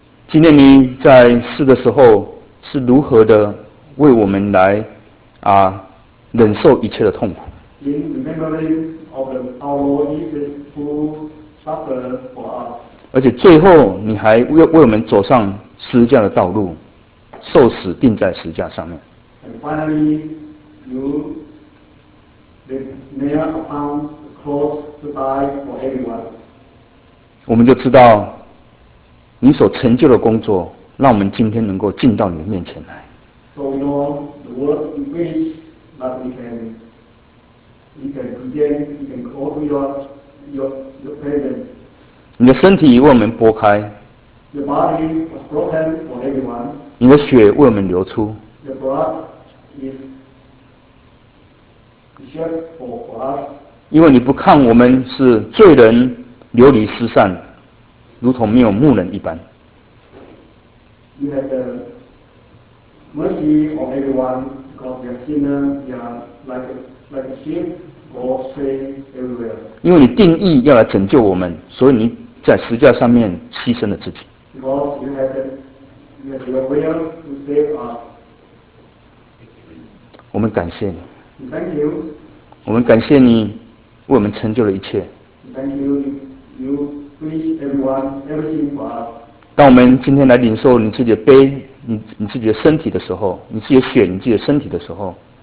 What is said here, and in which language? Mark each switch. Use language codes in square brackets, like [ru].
[zh] 纪念你在世的时候是如何的为我们来啊忍受一切的痛苦。 [en] In remembering of our Lord Jesus who suffered for us. [zh] 而且最后你还为我们走上十字架的道路，受死钉在十字架上面。 [en] And finally, you nailed upon the cross to die for everyone. [zh] 我们就知道你所成就的工作，让我们今天能够进到你的面前来。 [en] So we know the work in which that we can present, we can call to your presence. [zh] 你的身体为我们剥开。 [en] Your body was broken for everyone. [zh] 你的血为我们流出。 [en] Your blood is shed for us. [zh] 因为你不看我们是罪人，流离失散。如同没有牧人一般。 [en] You have the mercy on everyone because we are sinners, we are like a sheep, go astray everywhere. [zh] 因为你定义要来拯救我们，所以你在十字架上面牺牲了自己。 [en] Because you have your will to save us. [zh] 我们感谢你。 [en] Thank you. [zh] 我们感谢你为我们成就了一切。 [en] Thank you. You. Please, everyone, everything for us. [zh] 当我们今天来领受你自己的杯，你自己的身体的时候，你自己的血，你自己的身体的时候，